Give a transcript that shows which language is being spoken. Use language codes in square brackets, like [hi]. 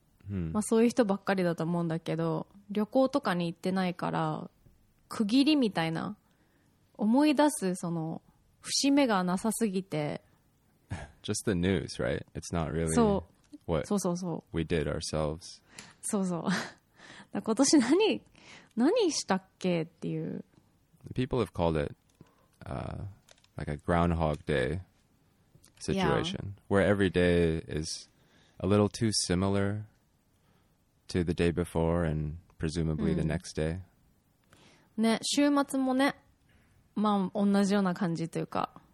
[ja] まあ、そういう人ばっかりだと思うんだけど、旅行とかに行ってないから区切りみたいな思い出すその節目がなさすぎて。 [en] Just the news, right? It's not really what we did ourselves. [ja] そうそう。だから今年何したっけっていう。 [en] People have called it like a Groundhog Day situation, where every day is a little too similar. To the day before and presumably the next day. [ja] ね、週末もね、まあ同じような感じというか。